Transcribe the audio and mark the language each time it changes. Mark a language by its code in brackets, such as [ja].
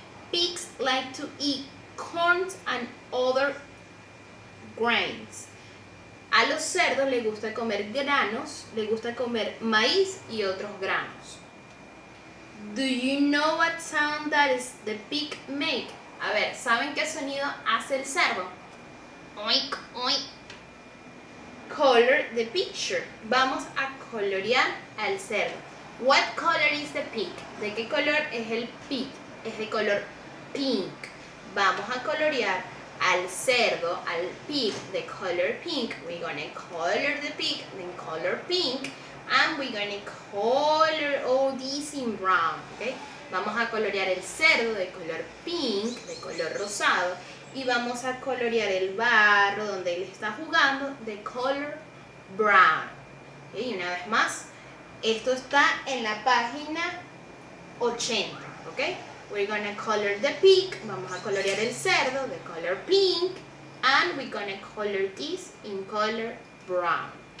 [en] Pigs like to eat corn and other grains. [es] A los cerdos les gusta comer granos, les gusta comer maíz y otros granos. [en] Do you know what sound does the pig make? [es] A ver, ¿saben qué sonido hace el cerdo? [en] Oink, oink. Color the picture. [es] Vamos a colorear al cerdo. [en] What color is the pig? [es] ¿De qué color es el pig? Es de color pink. Vamos a colorear al cerdo, al pig, [en] the color pink. We're gonna color the pig in color pink. And we're gonna color all this in brown. [es] Okay? Vamos a colorear el cerdo de color pink, de color rosado. Y vamos a colorear el barro donde él está jugando de color brown. Okay? Y una vez más, esto está en la página 80. [en] Ok. We're gonna color the pig, [es] vamos a colorear el cerdo, [en] the color pink, and we're gonna color this in color brown.